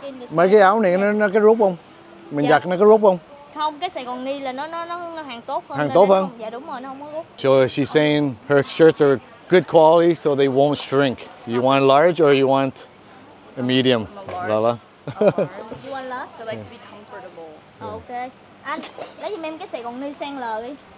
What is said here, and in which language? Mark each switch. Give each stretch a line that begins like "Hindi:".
Vietnamese: Mấy cái áo này nó cái rút không? Mình giặt nó có rút không? Không, cái Sài Gòn ni là nó hàng tốt hơn. Hàng tốt hơn? Dạ đúng rồi, nó không có rút.
English: So she's saying her shirts are good quality so they won't shrink. You want large or you want a medium? A large. You want large so like to be comfortable. Yeah. Okay.
Vietnamese: Anh, lấy giùm em cái Sài Gòn ni sang L đi.